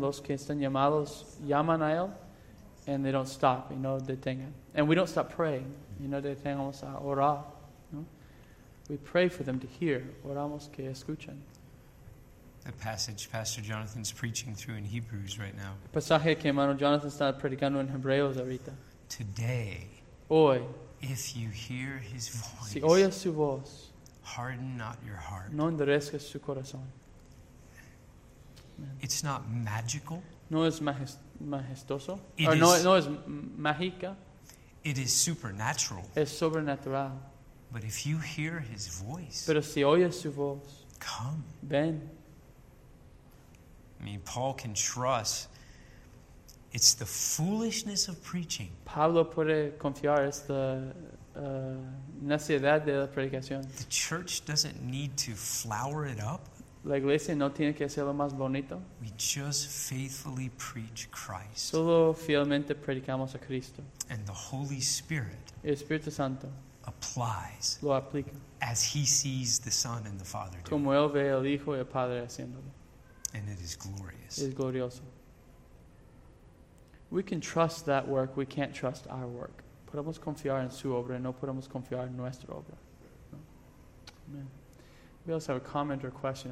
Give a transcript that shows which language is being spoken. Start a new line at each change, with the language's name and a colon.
Spanish: Los que están llamados llaman a Él.
English: And they don't stop, you know, detengan. And we don't stop praying. You know,
Spanish: detengamos a orar.
English: No? We pray for them to hear.
Spanish: Oramos que escuchen.
English: The passage Pastor Jonathan's preaching through in Hebrews right now.
Spanish: El pasaje que hermano Jonathan está predicando en Hebreos ahorita.
English: Today.
Spanish: hoy,
English: if you hear his voice,
Spanish: si oyes su voz,
English: harden not your heart.
Spanish: No endurezcas su corazón.
English: It's not magical.
Spanish: No es majestoso. No es mágica.
English: It is supernatural.
Spanish: Es sobrenatural.
English: But if you hear his voice,
Spanish: pero si oyes su voz,
English: come.
Spanish: Ven.
English: I mean, Paul can trust. It's the foolishness of preaching.
Spanish: Pablo puede confiar. Es la necedad de la predicación.
English: The church doesn't need to flower it up.
Spanish: La iglesia no tiene que hacerlo más bonito.
English: We just faithfully preach Christ.
Spanish: Solo fielmente predicamos a Cristo.
English: And the Holy Spirit,
Spanish: el Espíritu Santo,
English: applies,
Spanish: lo aplica,
English: as he sees the Son and the Father doing.
Spanish: Como él ve el Hijo y el Padre haciéndolo.
English: And it is glorious.
Spanish: Es glorioso.
English: We can trust that work. We can't trust our work.
Spanish: Podemos confiar en su obra, no podemos confiar en nuestra obra.
English: No. Amen. We also have a comment or question.